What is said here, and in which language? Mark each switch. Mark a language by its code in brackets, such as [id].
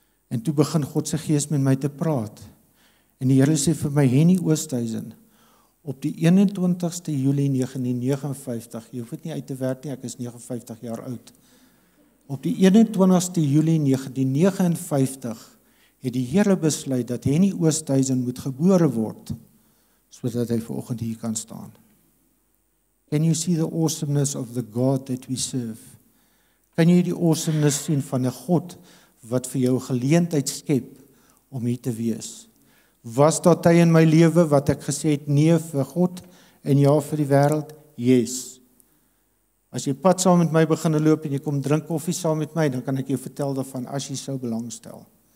[af] en toe begin God se gees met my te praat, en die Here sê vir my, Henny Oosthuizen, op die 21ste Julie 1959, jy hoef het nie uit te werk nie, ek is 59 jaar oud, op die 21ste Julie 1959, het die Here besluit, dat Henny Oosthuizen moet gebore word, sodat hy vanoggend hier kan staan. [en] Can you see the awesomeness of the God that we serve? [af] Kan jy die awesomeness sien van 'n God wat vir jou geleentheid skep om hier te wees? Was daar tye in my lewe wat ek gesê het nee vir God en ja vir die wêreld? Yes. As jy pad saam met my begin loop en jy kom drink koffie saam met my, dan kan ek jou vertel daarvan as jy sou belangstel.